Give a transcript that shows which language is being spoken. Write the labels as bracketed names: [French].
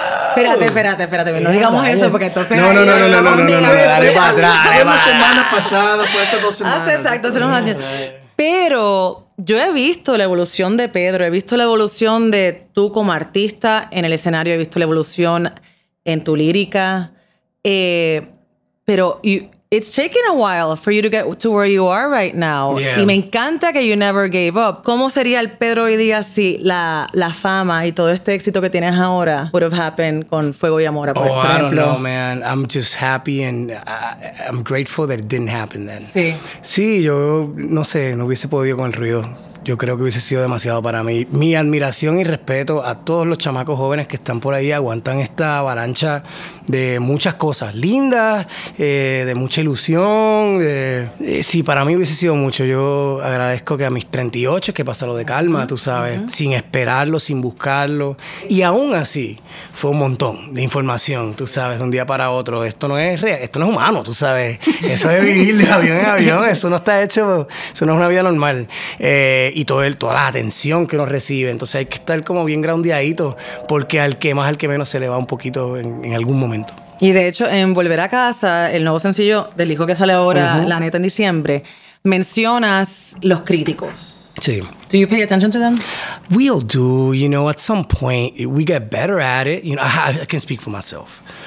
[Spanish] Espérate, no digamos eso porque entonces... No, dale para atrás. Fue la semana pasada, fue hace 2 semanas. Hace unos años. Pero yo he visto la evolución de Pedro, he visto la evolución de tú como artista en el escenario, he visto la evolución en tu lírica. [English] Pero it's taken a while for you to get to where you are right now. Yeah. [Spanish] Y me encanta que [English] you never gave up. [Spanish] ¿Cómo sería el Pedro hoy día si la fama y todo este éxito que tienes ahora [English] would have happened [Spanish] con Fuego y Amor, por ejemplo? [English] Oh, I don't know, man. I'm just happy and I'm grateful that it didn't happen then. [Spanish] Sí. Sí, yo no sé, no hubiese podido con el ruido. Yo creo que hubiese sido demasiado para mí. Mi admiración y respeto a todos los chamacos jóvenes que están por ahí, aguantan esta avalancha de muchas cosas lindas, de mucha ilusión. Sí, para mí hubiese sido mucho. Yo agradezco que a mis 38 es que pasa lo de calma, uh-huh, tú sabes, uh-huh, sin esperarlo, sin buscarlo. Y aún así, fue un montón de información, tú sabes, de un día para otro. Esto no es real, esto no es humano, tú sabes. Eso de vivir de avión en avión, eso no está hecho, eso no es una vida normal. Y toda la atención que uno recibe. Entonces hay que estar como bien groundeadito, porque al que más, al que menos, se le va un poquito en algún momento. Y de hecho, en Volver a Casa, el nuevo sencillo del hijo que sale ahora, uh-huh, la neta, en diciembre, mencionas los críticos. Sí. [English] Do you pay attention to them? We all do, you know, at some point we get better at it. You know, I can speak for myself.